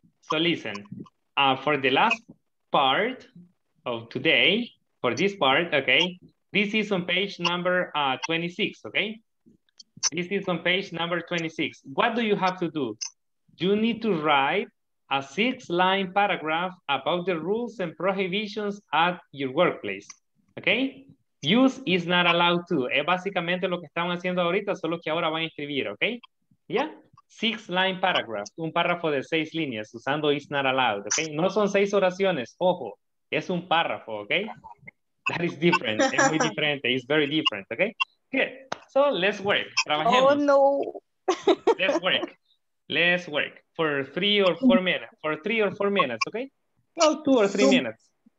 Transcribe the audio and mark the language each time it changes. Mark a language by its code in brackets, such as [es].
[en] So listen, for the last part of today, for this part, okay, this is on page number 26, okay? This is on page number 26. What do you have to do? You need to write a 6-line paragraph about the rules and prohibitions at your workplace, okay? Use is not allowed to. [es] Es básicamente lo que estaban haciendo ahorita, solo que ahora van a escribir, okay? [en] Yeah, 6-line paragraph, [es] un párrafo de 6 líneas usando [en] is not allowed, okay? [es] No son 6 oraciones, ojo, es un párrafo, okay? [en] That is different, [es] es muy diferente, [en] it's very different, okay? Good, so let's work, [es] trabajemos. [en] Oh no. Let's work for 3 or 4 minutes, okay? Well, 2 or 3 minutes.